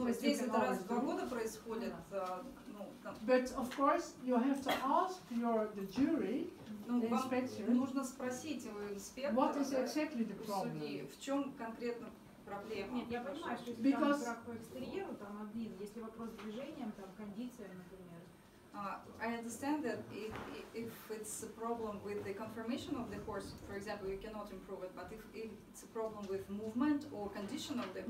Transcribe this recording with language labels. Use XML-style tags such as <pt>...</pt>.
<ru>Ну, здесь это раз в два года происходит.</ru> <en>But of course, you have to ask the jury, the inspector.</en> <ru>Нужно спросить у инспектора.</ru> <en>What is exactly the problem?</en> <ru>В чем конкретно проблема? Нет, я понимаю, что если там страх по экстерьеру, там один. Если вопрос с движением, там кондиция, например.</ru> <en>I understand that if it's a problem with the conformation of the horse, for example, you cannot improve it. But if it's a problem with movement or condition of the horse.</en>